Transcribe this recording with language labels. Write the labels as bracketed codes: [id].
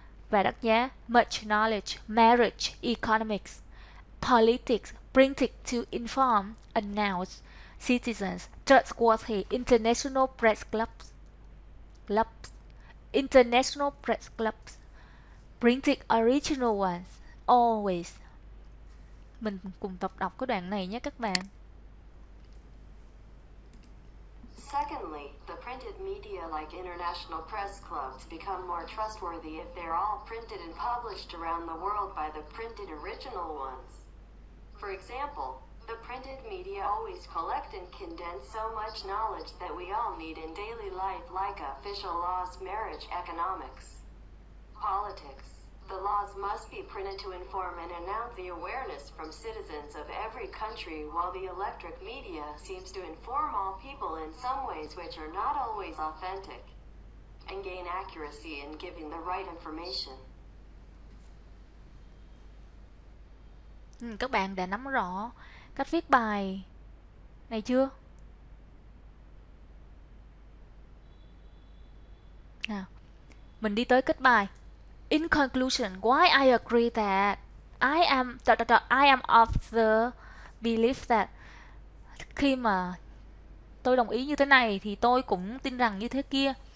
[vi] Và đắt giá, [en] much knowledge, marriage, economics, politics, bring it to inform, announce, citizens, trustworthy, international press clubs, international press clubs, bring it original ones, always. [vi] Mình cùng tập đọc cái đoạn này nhé các bạn. [en] Secondly, the printed media like international press clubs become more trustworthy if they're all printed and published around the world by the printed original ones. For example, the printed media always collect and condense so much knowledge that we all need in daily life, like official laws, marriage, economics, politics. The laws must be printed to inform and announce the awareness from citizens of every country, while the electric media seems to inform all people in some ways which are not always authentic and gain accuracy in giving the right information. [vi] Các bạn đã nắm rõ cách viết bài này chưa? Nào, mình đi tới kết bài. [en] In conclusion, why I agree that I am of the belief that, [vi] khi mà tôi đồng ý như thế này thì tôi cũng tin rằng như thế kia.